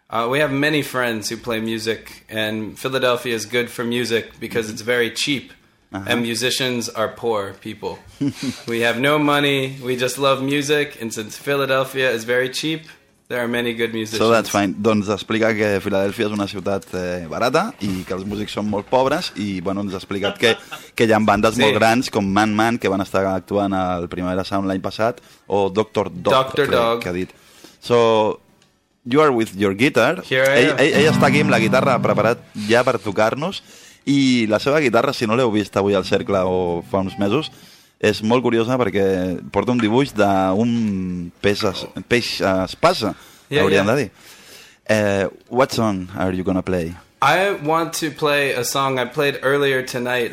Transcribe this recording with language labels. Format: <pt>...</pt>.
<en>We have many friends who play music, and Philadelphia is good for music because mm-hmm. it's very cheap. Uh-huh. And musicians are poor people. We have no money. We just love music. And since Philadelphia is very cheap, there are many good musicians. So that's fine.</en> <ca>Doncs explica que Filadèlfia és una ciutat barata i que els músics són molt pobres. I, bueno, ens ha explicat que hi ha bandes sí. molt grans com Man Man, que van estar actuant al Primavera Sound l'any passat, o Doctor Dog, que ha dit.</ca> <en>So, you are with your guitar.</en> <ca>Ell està aquí amb la guitarra preparat ja per tocar-nos. I la seva guitarra, si no l'heu vist avui al Cercle o fa uns mesos, és molt curiosa perquè porta un dibuix d'un peix espasa, hauríem de dir.</ca> <en>What song are you going to play? I want to play a song I played earlier tonight.</en>